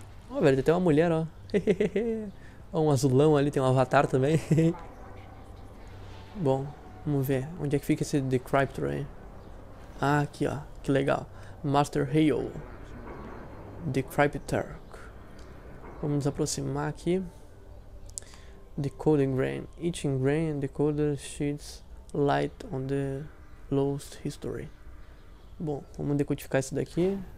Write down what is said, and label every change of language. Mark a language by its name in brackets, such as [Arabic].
[Portuguese] Ó, velho, tem até uma mulher, ó. Ó, um azulão ali, tem um avatar também. Bom, vamos ver. Onde é que fica esse Decryptor aí? Ah, aqui, ó. Que legal. Master Hale. Decryptor. Vamos nos aproximar aqui. [English] Decoding grain. Each grain decoder sheds light on the lost history. [Portuguese] Bom, vamos decodificar isso daqui.